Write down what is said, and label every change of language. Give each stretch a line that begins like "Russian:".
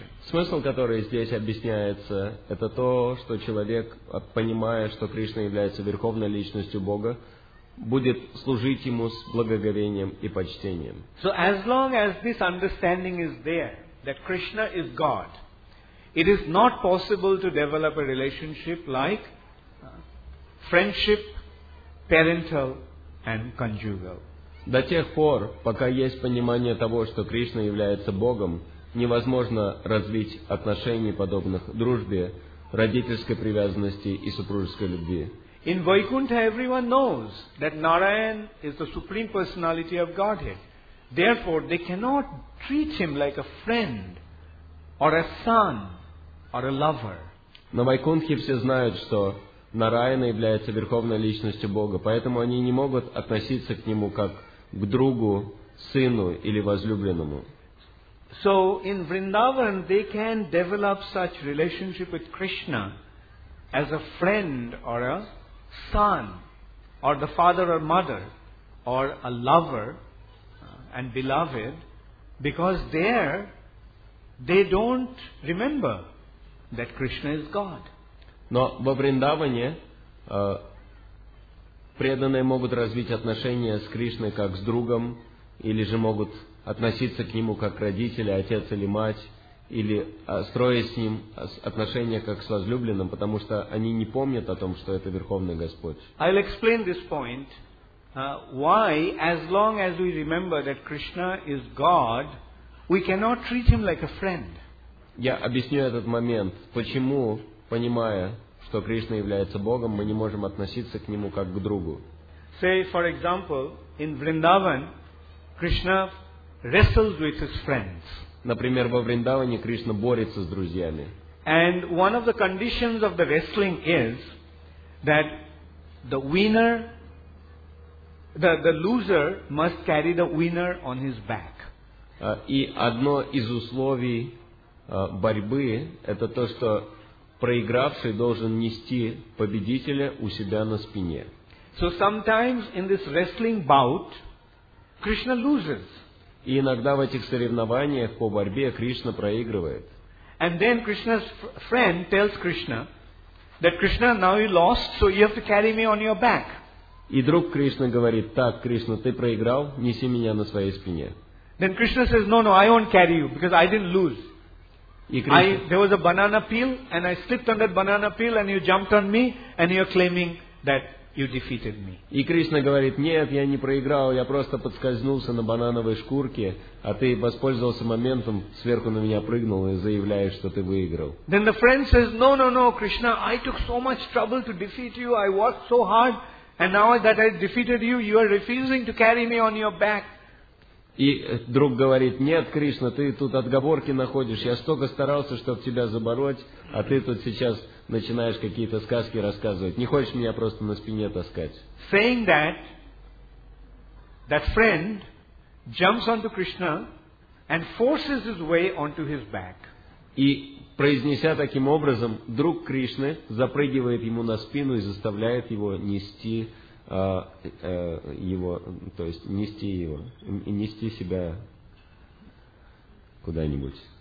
Russian: Смысл, который здесь объясняется, это то, что человек, понимая, что Кришна является верховной личностью Бога, будет служить ему с благоговением и почтением.
English: So as long as this understanding is there, that Krishna is God, it is not possible to develop a relationship like friendship, parental and conjugal.
Russian: До тех пор, пока есть понимание того, что Кришна является Богом, невозможно развить отношений, подобных дружбе, родительской привязанности и супружеской любви.
English: In Vaikuntha, everyone knows that Narayan is the supreme personality of Godhead. Therefore, they cannot treat him like a friend, or a son, or a lover.
Russian: На Вайкунтхе все знают, что Нараяна является верховной личностью Бога, поэтому они не могут относиться к нему как к другу, сыну или возлюбленному.
English: So in Vrindavan, they can develop such relationship with Krishna as a friend or a son or the father or mother or a lover and beloved, because there they don't remember that Krishna is God.
Russian: Но во Вриндаване преданные могут развить отношения с Кришной как с другом, или же могут относиться к нему как родители, отец или мать, или строить с ним отношения как с возлюбленным, потому что они не помнят о том, что это Верховный Господь.
English: I'll explain this point. Why, as long as we remember that Krishna is God, we cannot treat him like a friend.
Russian: Я объясню этот момент. Почему, понимая, что Кришна является Богом, мы не можем относиться к нему как к другу?
English: Say, for example, in Vrindavan, Krishna wrestles with his friends.
Russian: Например, во Вриндаване Кришна борется с друзьями.
English: And one of the conditions of the wrestling is that the winner, the loser must carry the winner on his back.
Russian: И одно из условий борьбы это то, что проигравший должен нести победителя у себя на спине.
English: So sometimes in this wrestling bout, Krishna loses.
Russian: И иногда в этих соревнованиях по борьбе Кришна проигрывает.
English: And then Krishna's friend tells Krishna that Krishna, now you lost, so you have to carry me on your back.
Russian: И друг Кришна говорит: так, Кришна, ты проиграл, неси меня на своей спине.
English: Then Krishna says, no, I won't carry you because I didn't lose. There was a banana peel and I slipped on that banana peel and you jumped on me and you're claiming that you defeated me.
Russian: И Кришна говорит: нет, я не проиграл, я просто подскользнулся на банановой шкурке, а ты воспользовался моментом, сверху на меня прыгнул и заявляешь, что ты выиграл.
English: Then the friend says, no, Krishna, I took so much trouble to defeat you, I worked so hard, and now that I defeated you, you are refusing to carry me on your back.
Russian: И друг говорит: нет, Кришна, ты тут отговорки находишь. Я столько старался, чтобы тебя забороть, а ты тут сейчас начинаешь какие-то сказки рассказывать. Не хочешь меня просто на спине таскать?
English: Saying that, that friend jumps onto Krishna and forces his way onto his back.
Russian: И произнеся таким образом, друг Кришны запрыгивает ему на спину и заставляет его нести его, то есть нести его, нести себя куда-нибудь.